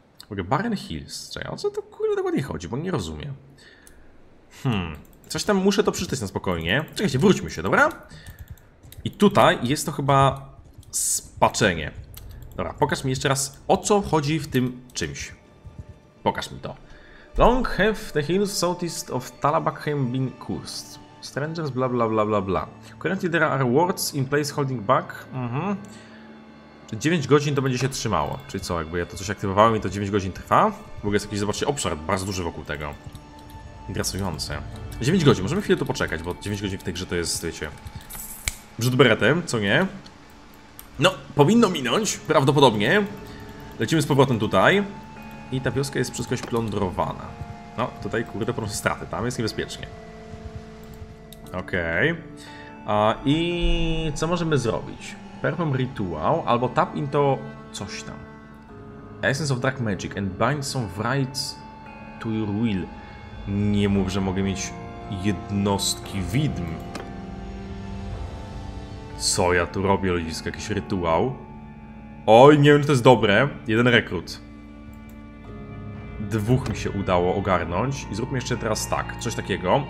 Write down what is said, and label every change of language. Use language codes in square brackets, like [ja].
[pl] Okay, Barren Hills, czekaj, o co to kurde dokładnie chodzi, bo nie rozumiem. Coś tam muszę to przeczytać na spokojnie. Czekajcie, wróćmy się, dobra? I tutaj jest to chyba spaczenie. Dobra, pokaż mi jeszcze raz, o co chodzi w tym czymś. Pokaż mi to. [en] Long have the hills southeast of Talabakheim been cursed. Strangers bla bla bla bla bla. Currently there are wards in place holding back. [pl] 9 godzin to będzie się trzymało. Czyli co, jakby ja to coś aktywowałem i to 9 godzin trwa? W ogóle jest jakiś, zobaczcie, obszar bardzo duży wokół tego. Interesujące. 9 godzin, możemy chwilę tu poczekać, bo 9 godzin w tej grze to jest, wiecie, brzut beretem, co nie? No, powinno minąć, prawdopodobnie. Lecimy z powrotem tutaj. I ta wioska jest przez coś plądrowana. No, tutaj kurde po prostu straty, tam jest niebezpiecznie. Okej. Okay. I co możemy zrobić? [en] Perform Ritual, albo tap into [pl] coś tam. [en] Essence of Dark Magic and bind some rites to your will. [pl] Nie mów, że mogę mieć jednostki widm. Co ja tu robię, ludzisko? Jakiś rytuał? Oj, nie wiem, czy to jest dobre. Jeden rekrut. Dwóch mi się udało ogarnąć. I zróbmy jeszcze teraz tak, coś takiego.